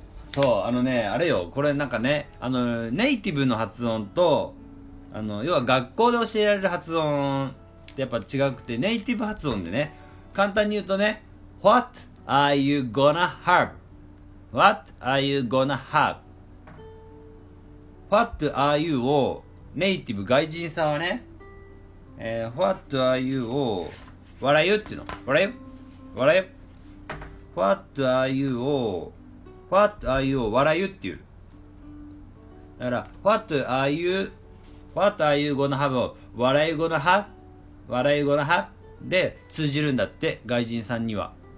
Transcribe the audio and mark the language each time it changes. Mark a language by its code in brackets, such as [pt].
[ja] そう、あのね、あれよ、これなんかね、ネイティブの発音と、要は学校で教えられる発音ってやっぱ違くて、ネイティブ発音でね、簡単に言うとね、 [en] What are you gonna have? What are you gonna have? What are you を、 [ja] ネイティブ外人さんはね、 [en] What are you を、What are you? [ja] っていうの。 [en] What are you? What are you? What are you を、What are you? What are you? [ja] っていう。だから、 [en] What are you? What are you gonna have? What are you gonna have? What are you gonna have? [ja] で、通じるんだって、外人さんには。